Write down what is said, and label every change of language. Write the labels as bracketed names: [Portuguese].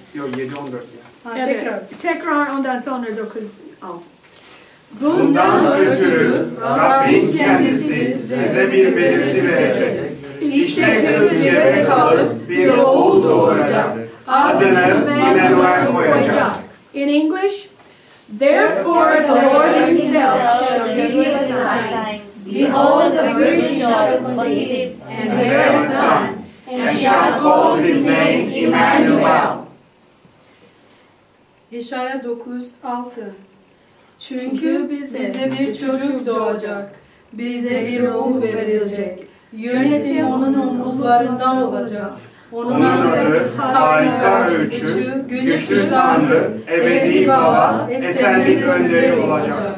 [Turkish] Yok, 7:14 ya. Evet. Tekrar ondan sonra 9:6. Bundan ötürü Rabbin kendisi size bir belirti verecek. İşte kız yere kalıp bir oğul doğuracak. Adını İmmanuel koyacak. [English] In English? Therefore the Lord himself shall be his sign. Behold, the virgin shall conceive and bear a son, and shall call his name Emmanuel. [Turkish] Yeşaya 9:6. Çünkü bize bir çocuk doğacak, bize bir oğul verilecek. Yönetim onun omuzlarında olacak. Onun adı harika ölçü, güçlü tanrı, ebedi baba, esenlik önderi olacak.